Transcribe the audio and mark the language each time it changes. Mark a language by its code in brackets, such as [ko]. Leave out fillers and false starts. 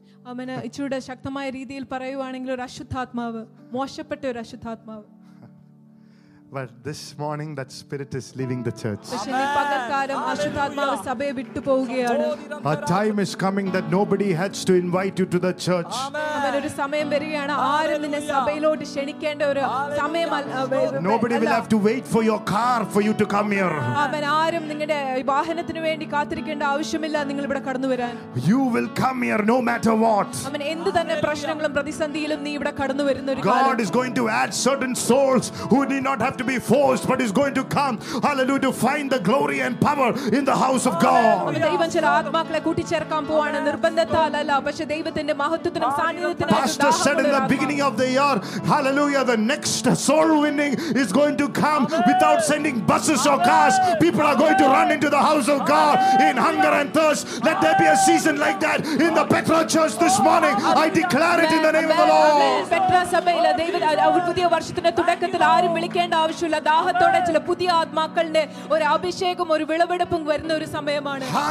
[ml] അമ്മനെ ഇച്ചിരൂടെ ശക്തമായ രീതിയിൽ പറയുവാണെങ്കിൽ ഒരു അശുദ്ധാത്മാവ്, മോശപ്പെട്ട ഒരു അശുദ്ധാത്മാവ്. [en] But this morning that spirit is leaving the church. Amen. A time is coming that nobody has to invite you to the church. Amen. [ml] ഒരു സമയം വരികയാണ്, ആരും നിന്നെ സഭയിലോട്ട് ക്ഷണിക്കേണ്ട ഒരു സമയം. [en] Nobody will have to wait for your car for you to come here. [ml] അമ്മ, ആരും നിങ്ങളുടെ വാഹനത്തിനു വേണ്ടി കാത്തിരിക്കേണ്ട ആവശ്യമില്ല നിങ്ങൾ ഇവിടെ കടന്നു വരാൻ. [en] You will come here no matter what. [ml] അമ്മ, എന്ത് തന്നെ പ്രശ്നങ്ങളും പ്രതിസന്ധിയിലും നീ ഇവിടെ കടന്നു വരുന്ന ഒരു കാലം. [en] God is going to add certain souls who need not have to be forced but is going to come, hallelujah, to find the glory and power in the house of God. [ml] ദൈവം ചില ആത്മാക്കളെ കൂട്ടിച്ചേർക്കാൻ പോവാണ്, നിർബന്ധത്താലല്ല, പക്ഷേ ദൈവത്തിന്റെ മഹത്വത്തിനും സാന്നിധ്യത്തിനും. [en] Pastor said in the beginning of the year, hallelujah, the next soul winning is going to come without sending buses or cars. People are going to run into the house of God in hunger and thirst. Let there be a season like that in the Petra church this morning. I declare it in the name of the Lord. [ml] Petra സഭയിലെ ദൈവം പുതിയ വർഷത്തിന്റെ തുടക്കത്തിൽ ആരും ആവശ്യമില്ല, ദാഹത്തോടെ ചില പുതിയ ആത്മാക്കളുടെ ഒരു അഭിഷേകം, ഒരു വിളവെടുപ്പും വരുന്ന ഒരു സമയമാണ്.